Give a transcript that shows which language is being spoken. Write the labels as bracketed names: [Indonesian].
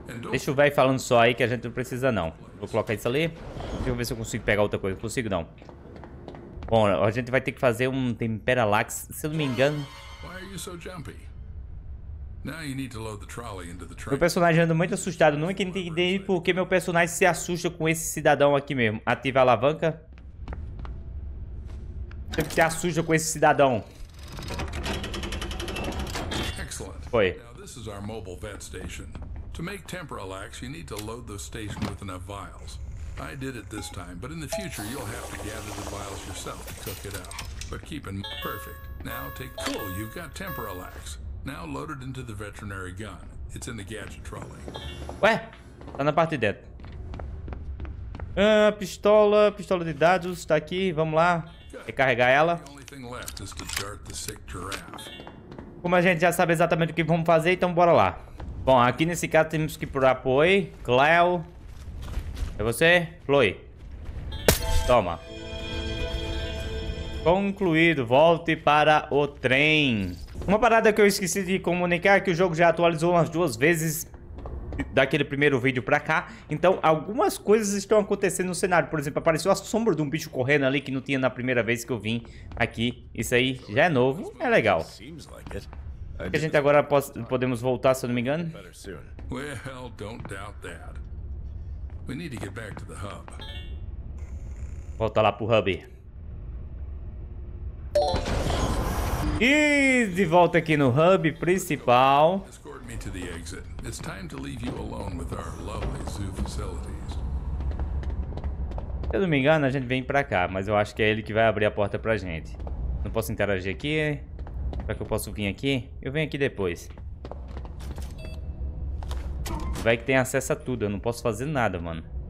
[Portuguese] Deixa o velho falando só aí que a gente não precisa não. Vou colocar isso ali. Deixa eu ver se eu consigo pegar outra coisa. Consigo não. Bom, a gente vai ter que fazer um Temperalax, se eu não me engano. [English] Why are you so jumpy? Now you need to load the trolley into the train. [Portuguese] Meu personagem anda muito assustado. Não é que entendi porque meu personagem se assusta com esse cidadão aqui mesmo. Ativa a alavanca. Tem que se assusta com esse cidadão. Excelente. Foi. [English] Now this is our mobile vet station. To make Temperalax, you need to load the station with enough vials. I did it this time, but in the future you'll have to gather the vials yourself to cook it out. But keep in mind, perfect. Now take cool, you've got Temperalax. Now load it into the veterinary gun. It's in the gadget trolley. [Portuguese] Ué? Tá na parte de dentro. Pistola de dados, tá aqui, vamos lá. Recarregar ela. [English] The only thing left is to dart the sick giraffe. [Portuguese] Como a gente já sabe exatamente o que vamos fazer, então bora lá. Bom, aqui nesse caso temos que procurar apoio. Cleo. É você, Chloe. Toma. Concluído, volte para o trem. Uma parada que eu esqueci de comunicar é que o jogo já atualizou umas duas vezes daquele primeiro vídeo pra cá. Então, algumas coisas estão acontecendo no cenário. Por exemplo, apareceu a sombra de um bicho correndo ali que não tinha na primeira vez que eu vim aqui. Isso aí já é novo, é legal. A gente agora podemos voltar, se eu não me engano. [English] Well, don't doubt that. We need to get back to the hub. [Portuguese] Volta lá pro hub. E de volta aqui no hub principal. [English] Escort me to the exit. It's time to leave you alone with our lovely zoo facilities. [Portuguese] Se eu não me engano, a gente vem pra cá, mas eu acho que é ele que vai abrir a porta pra gente. Não posso interagir aqui. Será que eu posso vir aqui? Eu venho aqui depois. Vai que tem acesso a tudo, eu não posso fazer nada, mano.